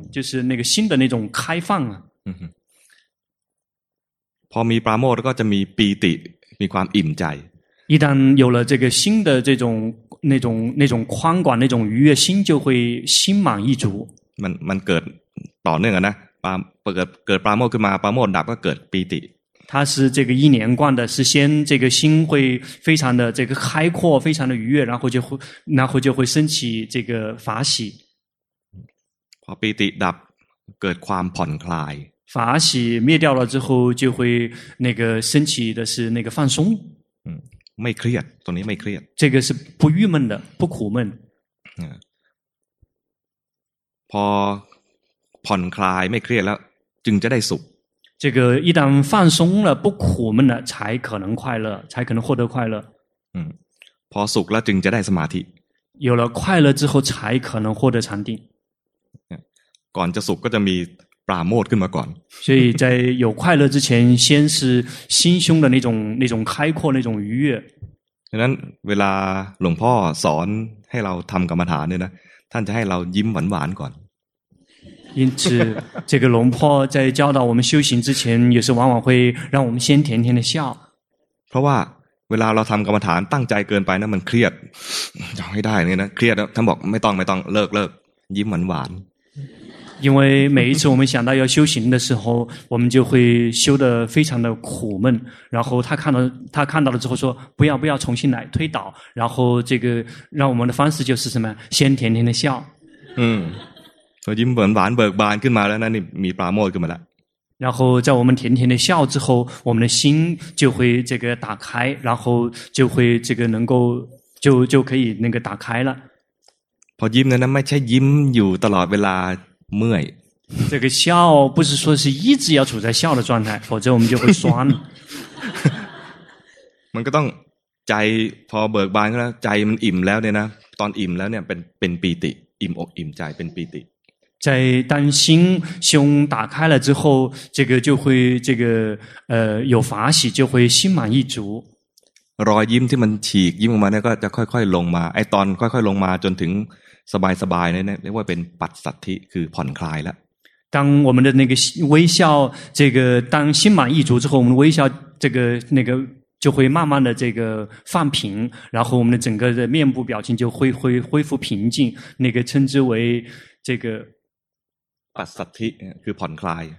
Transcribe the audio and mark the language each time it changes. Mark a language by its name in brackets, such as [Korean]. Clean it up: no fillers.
[Chinese] 就是那个新的那种开放啊嗯哼 [Thai] พอมีปราโมทก็จะมีปีติมีความอิ่มใจ [Chinese] 一旦有了这个新的这种那种宽广那种愉悦心就会心满意足 [Thai] มันเกิดต่อเนื่องนะเกิดปราโมทขึ้นมาปราโมทดับก็เกิดปีติ [Chinese] 它是这个一连贯的，是先这个心会非常的这个开阔，非常的愉悦，然后就会升起这个法喜。 [Thai] พอปีติดับเกิดความผ่อนคลาย [Chinese] 法喜灭掉了之后，就会那个升起的是那个放松。 [Thai] ไม่เครียดตรงนี้ไม่เครียด [Chinese] 这个是不郁闷的，不苦闷。 [Thai] พอผ่อนคลายไม่เครียดแล้วจึงจะได้สุข [Chinese] 这个一旦放松了不苦闷了才可能快乐才可能获得快乐 [Thai] พอสุขแล้วจึงจะได้สมาธิ [Chinese] 有了快乐之后才可能获得禅定 [Thai] ก่อนจะสุขก็จะมีปราโมทขึ้นมาก่อน [Chinese] 所以在有快乐之前先是心胸的那种开阔那种愉悦 [Thai] ฉะนั้นเวลาหลวงพ่อสอนให้เราทำกรรมฐานเนี่ยนะท่านจะให้เรายิ้มหวานๆก่อน [Chinese] 因此这个龙婆在教导我们修行之前也是往往会让我们先甜甜的笑 [Thai] เพราะว่าเวลาเราทำกรรมฐานตั้งใจเกินไปนะมันเครียดอยากให้ได้เนี่ยนะเครียดท่านบอกไม่ต้องเลิกยิ้มหวาน [Chinese] 因为每一次我们想到要修行的时候我们就会修得非常的苦闷然后他看到了之后说不要重新来推倒然后这个让我们的方式就是什么先甜甜的笑 [Thai] เขายิ้มเหมือนหวานเบิกบานขึ้นมาแล้วนะนี่มีปราโมทขึ้นมาแล้ [Chinese] ว然后在我们甜甜的笑之后我们的心就会这个打开然后就会这个能够就可以那个打开了 [Thai] พอยิ้มนั้นไม่ใช่ยิ้มอยู่ตลอดเวลาเมื่อย [Chinese] 这个笑不是说是一直要处在笑的状态否则我们就会酸 [Thai] มันก็ต้องใจพอเบิกบานแล้วใจมันอิ่มแล้วเนี่ยนะตอนอิ่มแล้วเนี่ยเป็นปีติอิ่มอกอิ่มใจเป็นปีติ [Chinese] 在当心胸打开了之后，这个就会这个有法喜，就会心满意足。 [Thai] รอยยิ้มที่มันฉีกยิ้มออกมาเนี่ยก็จะค่อยๆลงมาไอ้ตอนค่อยๆลงมาจนถึงสบายๆเนี่ยเรียกว่าเป็นปัสสัทธิคือผ่อนคลายแล้ว [Chinese] 当我们的那个微笑，这个当心满意足之后，我们的微笑这个那个就会慢慢的这个放平，然后我们的整个的面部表情就会恢复平静，那个称之为这个。 [Thai] ปัสสัทธิคือผ่อนคลาย